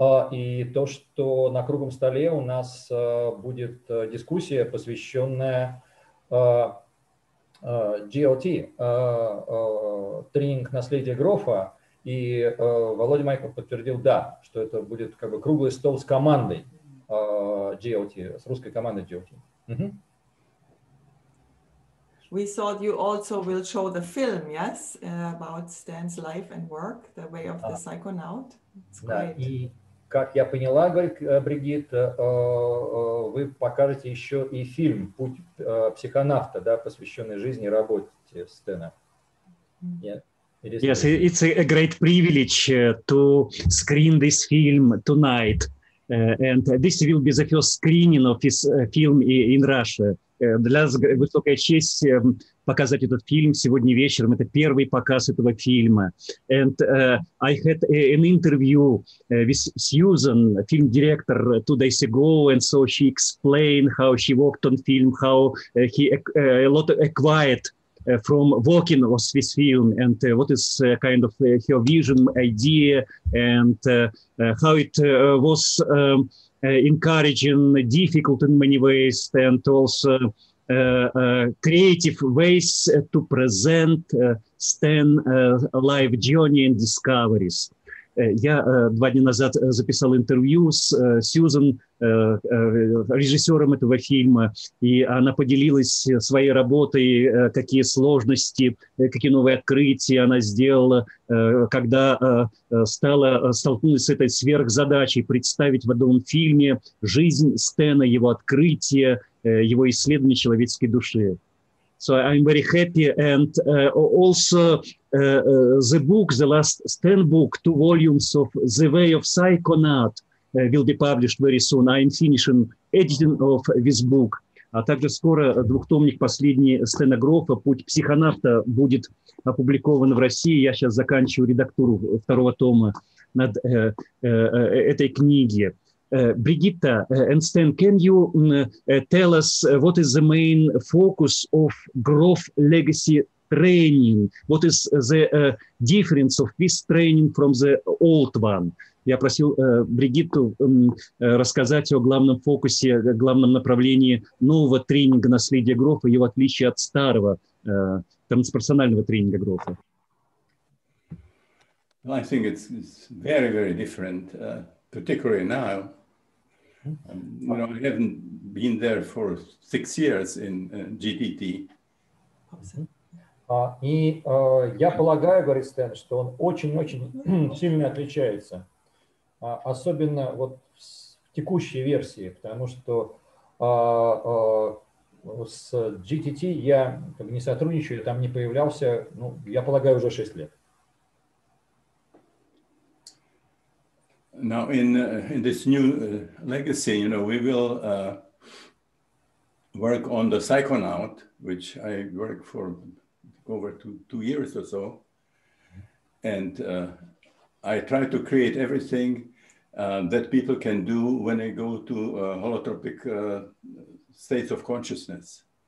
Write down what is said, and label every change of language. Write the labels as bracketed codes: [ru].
[ru] И то, что на круглом столе у нас будет дискуссия, посвященная GLT, тренинг наследия Грофа, и Володя Майков подтвердил, да, что это будет как бы круглый стол с командой GLT, с русской командой GLT. Uh-huh. [en] We thought you also will show the film, yes, about Stan's life and work, The Way of the Psychonaut. It's great. [ru] Да, и... Как я поняла, говорит Бригит, вы покажете еще и фильм «Путь психонавта», да, посвященный жизни и работе Стэна. Нет? [en] Yes, it's a great privilege to screen this film tonight. And this will be the first screening of this film in Russia. [ru] Для нас высокая честь показать этот фильм сегодня вечером. Это первый показ этого фильма. [en] And I had an interview with Susan, film director, 2 days ago, and so she explained how she worked on film, how he a lot acquired from working on this film, and what is kind of her vision, idea, and how it was encouraging, difficult in many ways, and also creative ways to present Stan's life journey and discoveries. [ru] Я два дня назад записал интервью с Сьюзен, режиссером этого фильма, и она поделилась своей работой, какие сложности, какие новые открытия она сделала, когда столкнулась с этой сверхзадачей представить в одном фильме жизнь Стэна, его открытие, его исследование человеческой души. [en] So I'm very happy, and also the book, the last Stan book, 2 volumes of The Way of Psychonaut will be published very soon. I'm finishing editing of this book. [ru] А также скоро двухтомник последний Стэна Грофа «Путь психонавта» будет опубликован в России. Я сейчас заканчиваю редактуру второго тома над этой книги. [en] Brigitte and Stan, can you tell us what is the main focus of Grof legacy training? What is the difference of this training from the old one? [ru] Я просил Бригитту рассказать о главном фокусе, главном направлении нового тренинга наследия Грофа, его отличие от старого. трансперсонального тренинга Грофа? [en] Well, I think it's very, very different, particularly now. You know, I haven't been there for 6 years in GTT. [ru] И я полагаю, говорит Стэн, что он очень-очень сильно отличается, особенно вот в текущей версии, потому что с GTT я как бы не сотрудничаю, там не появлялся, ну, я полагаю, уже 6 лет. [en] Now in this new legacy, you know, we will work on the psychonaut, which I work for over two years or so, and I try to create everything that people can do when they go to holotropic states of consciousness.